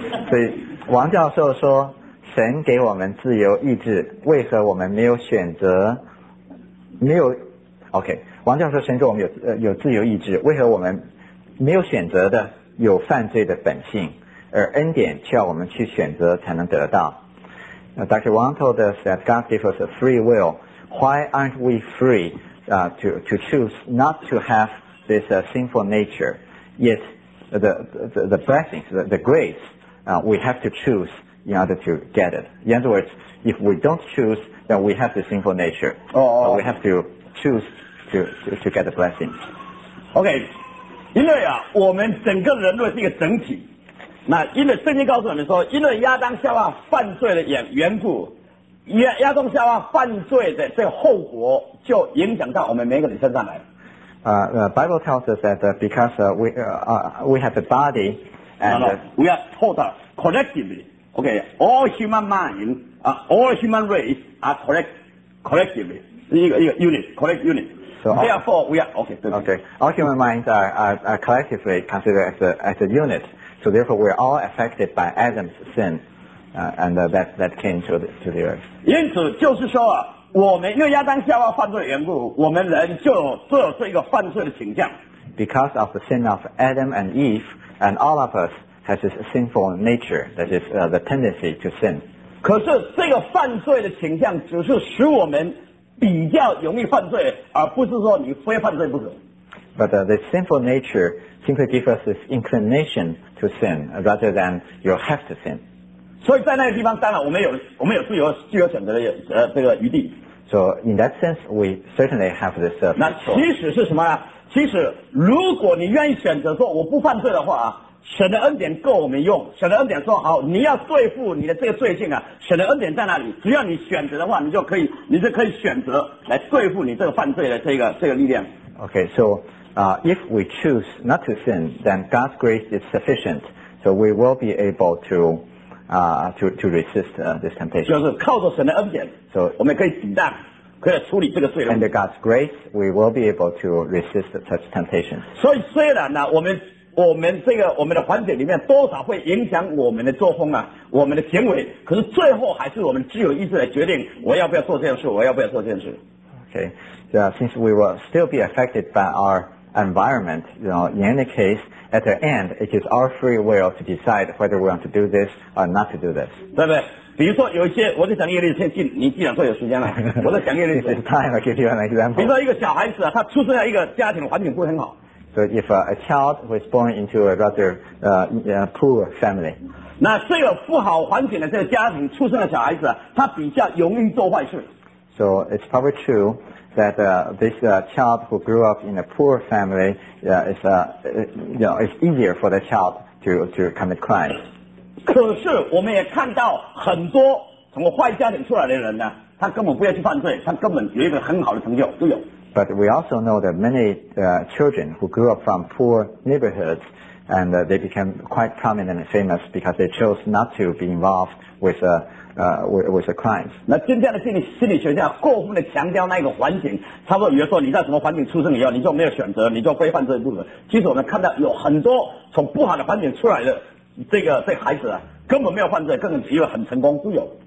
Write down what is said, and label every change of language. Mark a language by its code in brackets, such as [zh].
[zh] 所以王教授说，神给我们自由意志，为何我们没有选择？没有 ，OK。王教授，神给我们有自由意志，为何我们没有选择的有犯罪的本性，而恩典需要我们去选择才能得到 ？Dr. [en] Wang told us that God gave us a free will. Why aren't we free to choose not to have this sinful nature? Yet the blessings, the grace, we have to choose. In order to get it. In other words, if we don't choose, then we have the sinful nature. Oh. We have to choose to get the blessing. Okay. [zh] 因为啊，我们整个人类是一个整体。那因为圣经告诉我们说，因为亚当夏娃犯罪的缘故，亚当夏娃犯罪的这个后果就影响到我们每一个人身上来。 [en] The Bible tells us that because we have the body and we are total collectively. Okay, all human mind, all human race are collectively, collect unit. So therefore, we are, okay. All human minds are collectively considered as a unit. So therefore, we are all affected by Adam's sin, and that came to the earth. [zh] 因此就是说，我们因为亚当夏娃犯罪的缘故，我们人就做出一个犯罪的倾向。 [en] Because of the sin of Adam and Eve, and all of us,That is sinful nature. That is the tendency to sin. [zh] 可是这个犯罪的倾向只是使我们比较容易犯罪，而不是说你非犯罪不可。 [en] But the sinful nature simply gives us this inclination to sin, rather than you have to sin. [zh] 所以在那个地方，当然我们有自由选择的这个余地。 [en] So in that sense, we certainly have this. [zh] 那其实是什么呢？其实如果你愿意选择说我不犯罪的话神的恩典够我们用神的恩典说好你要对付你的这个罪性啊神的恩典在那里只要你选择的话你就可以选择来对付你这个犯罪的这个力量 [en] Okay, so, if we choose not to sin, then God's grace is sufficient, so we will be able to resist this temptation. [zh] 就是靠着神的恩典 [en] so, [zh] 我们可以抵挡可以处理这个罪 [en] 了 Under God's grace, we will be able to resist such temptations. [zh] 所以虽然呢我们这个我们的环境里面多少会影响我们的作风啊我们的行为可是最后还是我们自由意志来决定我要不要做这件事我要不要做这件事 [en] Okay, yeah, since we will still be affected by our environment you know, in any case at the end it is our free will to decide whether we want to do this or not to do this [zh] 对不对比如说有一些我在讲一个例子先你既然说有时间了我在讲一个例子 [en] This is time I give you an example [zh] 比如说一个小孩子啊他出生在一个家庭环境不是很好 [en] So if a child was born into a rather poor family, [zh] 那这个不好环境的这个家庭出生的小孩子，他比较容易做坏事。 [en] So it's probably true that this child who grew up in a poor family is easier for the child to commit crime. [zh] 可是我们也看到很多从坏家庭出来的人呢，他根本不要去犯罪，他根本有一个很好的成就都有。 [en] But we also know that many children who grew up from poor neighborhoods and they became quite prominent and famous because they chose not to be involved with a crime. [zh] 那今天的心理学家过分的强调那个环境，差不多比如说你在什么环境出生以后，你就没有选择，你就非犯罪不可。其实我们看到有很多从不好的环境出来的这个孩子啊，根本没有犯罪，更是很成功都有。